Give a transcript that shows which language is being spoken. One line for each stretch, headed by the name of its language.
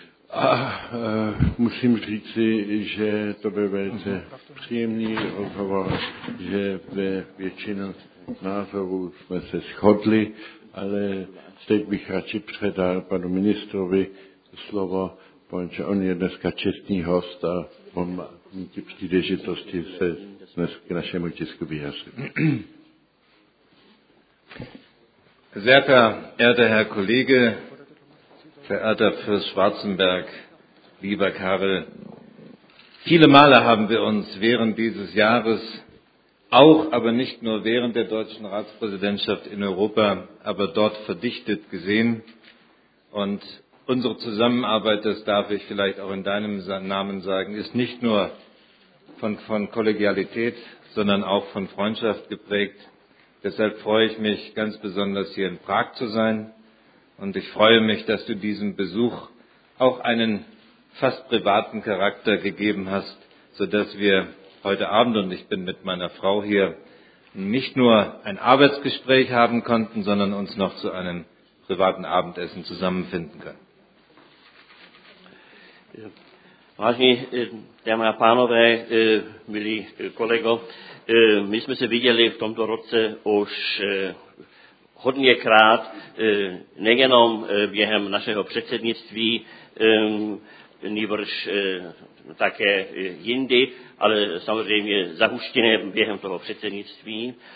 Czech: A musím říci, že to byl velice příjemný rozhovor, že ve většinu názorů jsme se shodli, ale teď bych radši předal panu ministrovi slovo, protože on je dneska čestný host a on má ty příležitosti se dnes k našemu tisku vyjasnit.
German: Sehr verehrter Herr Kollege, verehrter Fürst Schwarzenberg, lieber Karel, viele Male haben wir uns während dieses Jahres auch, aber nicht nur während der deutschen Ratspräsidentschaft in Europa, aber dort verdichtet gesehen. Und unsere Zusammenarbeit, das darf ich vielleicht auch in deinem Namen sagen, ist nicht nur von Kollegialität, sondern auch von Freundschaft geprägt. Deshalb freue ich mich ganz besonders, hier in Prag zu sein. Und ich freue mich, dass du diesem Besuch auch einen fast privaten Charakter gegeben hast, sodass wir heute Abend, und ich bin mit meiner Frau hier, nicht nur ein Arbeitsgespräch haben konnten, sondern uns noch zu einem privaten Abendessen zusammenfinden können.
Czech: Vážení dámy a pánové, milí kolego, my jsme se viděli v tomto roce už hodněkrát, nejenom během našeho předsednictví, nýbrž také jindy, ale samozřejmě zahuštěné během toho předsednictví.